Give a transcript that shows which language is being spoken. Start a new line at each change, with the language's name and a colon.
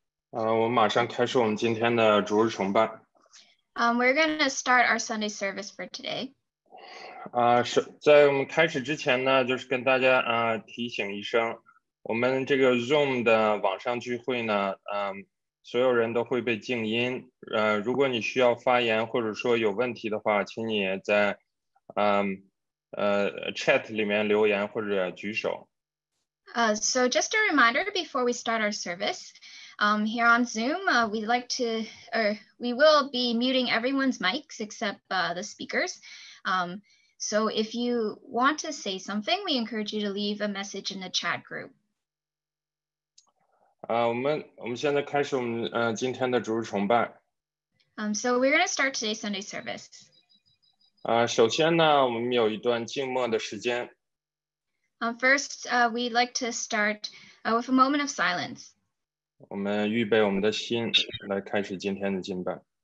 Chinese: 我们马上开始我们今天的主日崇拜。
English: We're going to start our Sunday service for today.
Chinese: 在我们开始之前呢，就是跟大家提醒一声，我们这个 Zoom 的网上聚会呢，所有人都会被静音。如果你需要发言或者说有问题的话，请你在chat 里面留言或者举手。
English: So just a reminder before we start our service, here on Zoom, we will be muting everyone's mics except the speakers. So if you want to say something, we encourage you to leave a message in the chat group.
Chinese: 我们现在开始我们今天的主日崇拜。
English: So we're going to start today's Sunday service.
Chinese: 首先呢，我们有一段静默的时间。
English: First, we'd like to start with a moment of silence.
Chinese: 我们预备我们的心来开始今天的敬拜。